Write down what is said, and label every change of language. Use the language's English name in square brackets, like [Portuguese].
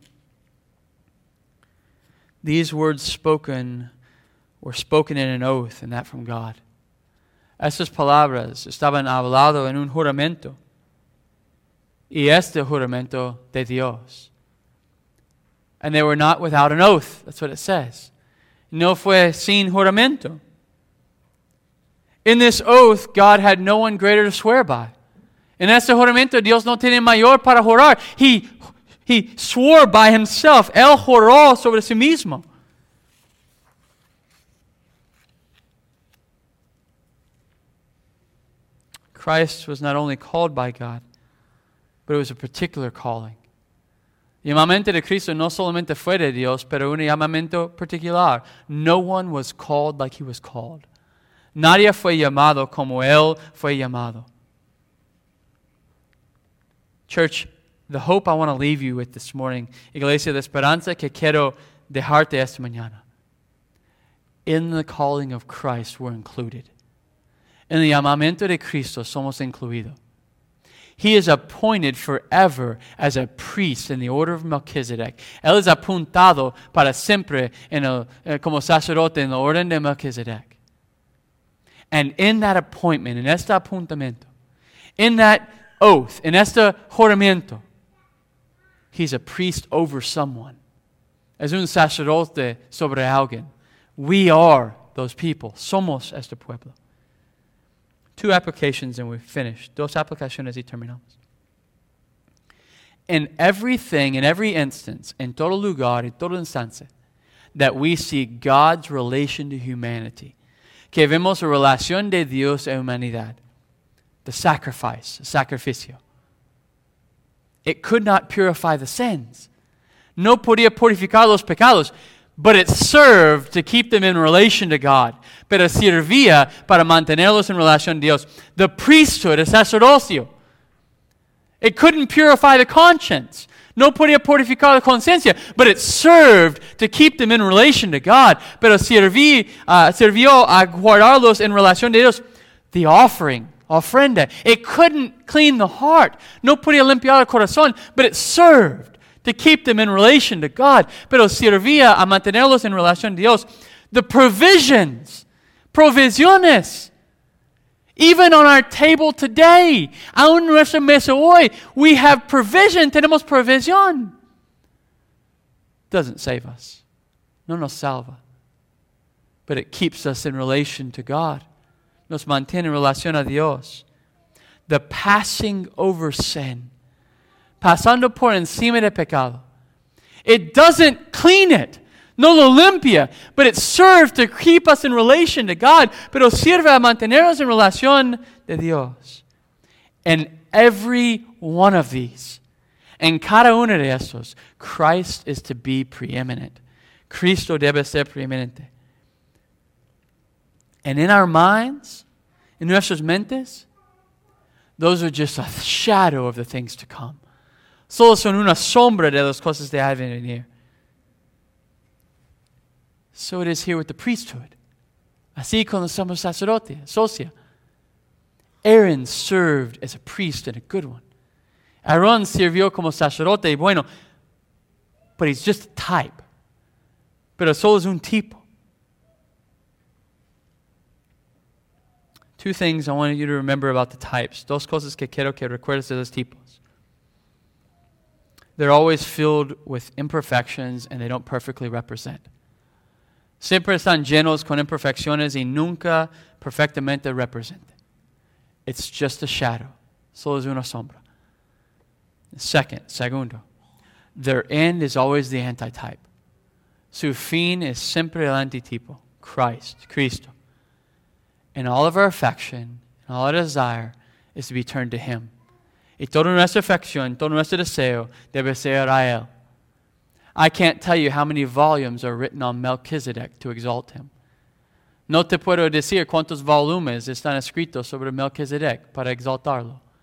[Spanish] Número cinco. [English] These words spoken were spoken in an oath, and that from God. [Spanish] Estas palabras estaban habladas en un juramento. Y este juramento de Dios. [English] And they were not without an oath. That's what it says. [Spanish] No fue sin juramento. [English] In this oath, God had no one greater to swear by. [Spanish] En este juramento, Dios no tiene mayor para jurar. [English] He swore by himself. [Spanish] Él juró sobre sí mismo. [English] Christ was not only called by God, but it was a particular calling. [Spanish] Llamamiento de Cristo no solamente fue de Dios, pero un llamamiento particular. [English] No one was called like he was called. [Spanish] Nadie fue llamado como él fue llamado. [English] Church, the hope I want to leave you with this morning, [Spanish] Iglesia de Esperanza, que quiero dejarte esta mañana. [English] In the calling of Christ, we're included. [Spanish] En el llamamiento de Cristo, somos incluidos. [English] He is appointed forever as a priest in the order of Melchizedek. [Spanish] Él es apuntado para siempre como sacerdote en la orden de Melchizedek. [English] And in that appointment, [Spanish] en este apuntamiento, [English] in that oath, [Spanish] en este juramento, [English] he's a priest over someone. [Spanish] Es un sacerdote sobre alguien. [English] We are those people. [Spanish] Somos este pueblo. [English] Two applications and we've finished. [Spanish] Dos aplicaciones y terminamos. [English] In everything, in every instance, [Spanish] en todo lugar, en todo instante, [English] that we see God's relation to humanity, [Spanish] que vemos la relación de Dios a humanidad, [English] the sacrifice, [Spanish] sacrificio, [English] it could not purify the sins. [Spanish] No podía purificar los pecados, [English] but it served to keep them in relation to God. [Spanish] Pero servía para mantenerlos en relación a Dios. [English] The priesthood, [Spanish] el sacerdocio. [English] It couldn't purify the conscience. [Spanish] No podía purificar la conciencia. [English] But it served to keep them in relation to God. [Spanish] Pero sirvió a guardarlos en relación a Dios. [English] The offering, [Spanish] ofrenda. [English] It couldn't clean the heart. [Spanish] No podía limpiar el corazón. [English] But it served to keep them in relation to God. [Spanish] Pero servía a mantenerlos en relación a Dios. [English] The provisions. [Spanish] Provisiones. [English] Even on our table today, [Spanish] aún nuestra mesa hoy, [English] we have provision. [Spanish] Tenemos provisión. [English] Doesn't save us. [Spanish] No nos salva. [English] But it keeps us in relation to God. [Spanish] Nos mantiene en relación a Dios. [English] The passing over sin. [Spanish] Pasando por encima de pecado. [English] It doesn't clean it. [Spanish] No lo limpia. [English] But it serves to keep us in relation to God. [Spanish] Pero sirve a mantenernos en relación de Dios. [English] And every one of these, [Spanish] en cada uno de estos, [English] Christ is to be preeminent. [Spanish] Cristo debe ser preeminente. [English] And in our minds, in [Spanish] nuestras mentes, [English] those are just a shadow of the things to come. [Spanish] Solo son una sombra de las cosas de Advent in here. [English] So it is here with the priesthood. [Spanish] Así con los somos sacerdotes, socia. [English] Aaron served as a priest and a good one. [Spanish] Aaron sirvió como sacerdote y bueno, [English] but he's just a type. [Spanish] Pero solo es un tipo. [English] Two things I want you to remember about the types. [Spanish] Dos cosas que quiero que recuerdes de los tipos. [English] They're always filled with imperfections and they don't perfectly represent. [Spanish] Siempre están llenos con imperfecciones y nunca perfectamente representan. [English] It's just a shadow. [Spanish] Solo es una sombra. Segundo. [English] Their end is always the antitype. [Spanish] Su fin es siempre el antitipo. Christ. Cristo. [English] And all of our affection and all our desire is to be turned to him. [Spanish] Y toda nuestra afección, todo nuestro deseo debe ser a él. [English] I can't tell you how many volumes are written on Melchizedek to exalt him. [Spanish] No te puedo decir cuántos volúmenes están escritos sobre Melchizedek para exaltarlo.